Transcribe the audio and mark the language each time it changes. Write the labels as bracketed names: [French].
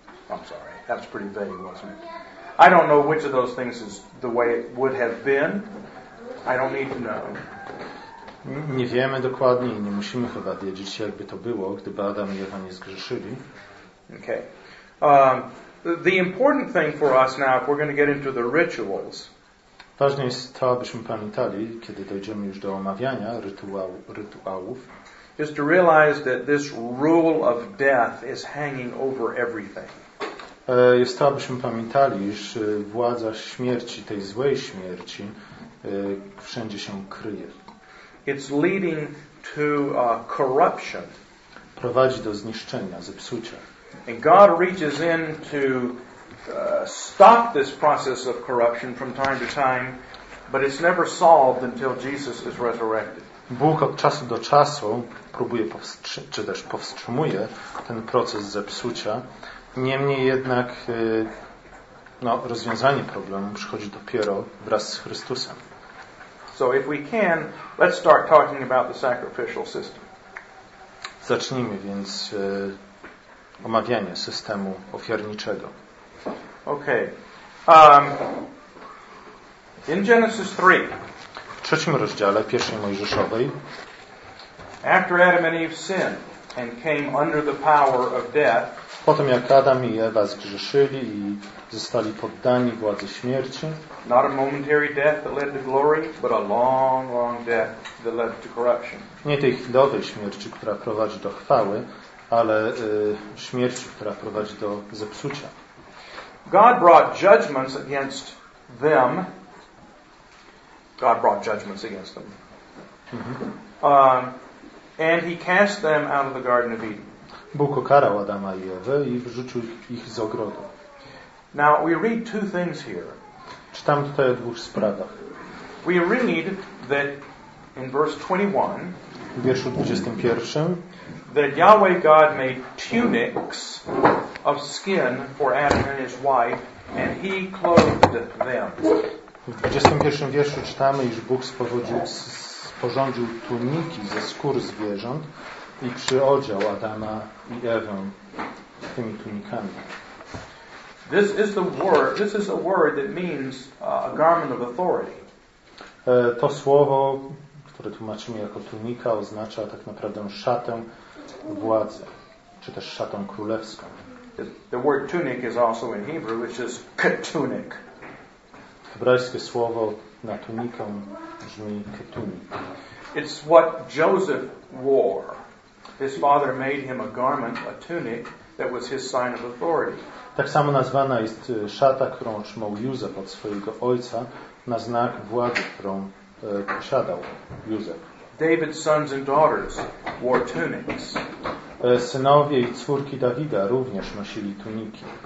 [English] I'm sorry, that's pretty vague, wasn't it? I don't know which of those things is the way it would have been. I don't need to know. [Polish] Nie wiemy dokładnie i nie musimy chyba wiedzieć, jakby to było, gdyby Adam i Ewa nie zgrzeszyli. [English] Okay. The important thing for us now, if we're going to get into the rituals. [Polish] Ważne jest to, abyśmy pamiętali, kiedy dojdziemy już do omawiania rytuałów. [English] Is to realize that this rule of death is hanging over everything. [Polish] Jest to, abyśmy pamiętali, iż władza śmierci, tej złej śmierci, wszędzie się kryje. [English] It's leading to corruption. [Polish] Prowadzi do zniszczenia, zepsucia. [English] And God reaches in to stop this process of corruption from time to time, but it's never solved until Jesus is resurrected. [Polish] Bóg od czasu do czasu próbuje powstrzymuje ten proces zepsucia. Niemniej jednak No, rozwiązanie problemu przychodzi dopiero wraz z Chrystusem. [English] So if we can, let's start talking about the sacrificial system. [Polish] Zacznijmy więc omawianie systemu ofiarniczego. [English] Okay. In Genesis 3. [Polish] W trzecim rozdziale pierwszej Mojżeszowej. [English] After Adam and Eve sinned and came under the power of death. [Polish] Potem jak Adam i Ewa zgrzeszyli i zostali poddani władzy śmierci. [English] Not a momentary death that led to glory, but a long, long death that led to corruption. [Polish] Nie tej chwilowej śmierci, która prowadzi do chwały, ale śmierci, która prowadzi do zepsucia. [English] God brought judgments against them. God brought judgments against them. Mm-hmm. And he cast them out of the Garden of Eden. [Polish] Bóg ukarał Adama i Ewę i wyrzucił ich z ogrodu. [English] Now we read two things here. [Polish] Czytamy tutaj o dwóch sprawach. [English] We read that in verse 21, [Polish] w wierszu 21, [English] that Yahweh God made tunics of skin for Adam and his wife, and he clothed them. [Polish] W 21 wierszu czytamy, iż Bóg sporządził tuniki ze skór zwierząt i przyodział Adama i Ewę tymi tunikami. [English] This is the word. This is a word that means a garment of authority. [Polish] To słowo, które tłumaczymy jako tunika, oznacza tak naprawdę szatę władzy, czy też szatę królewską. [English] The word tunic is also in Hebrew, which is ketunik. [Polish] Hebrajskie słowo na tunikę brzmi ketunik. [English] It's what Joseph wore. His father made him a garment, a tunic, that was his sign of authority. [Polish] Tak samo nazwana jest szata, którą otrzymał Józef od swojego ojca na znak władzy, którą posiadał Józef. [English] David's sons and daughters wore tunics. [Polish] Synowie i córki Dawida również nosili tuniki.